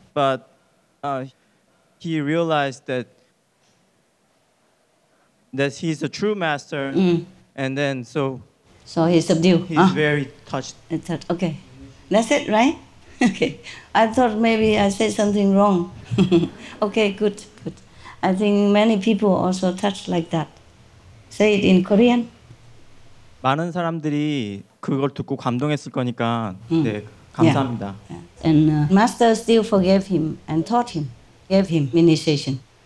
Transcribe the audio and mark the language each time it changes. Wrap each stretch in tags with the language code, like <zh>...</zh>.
<en>but he realized that he's a true master, and then so... So he subdued. He's very touched. Okay. That's it, right? Okay. I thought maybe I said something wrong. Okay, good. I think many people also touch like that. Say it in Korean.</en> <ko>많은 사람들이 그걸 듣고 감동했을 거니까 네, 감사합니다.</ko> <en>Yeah. And master still forgave him and taught him, gave him initiation.</en>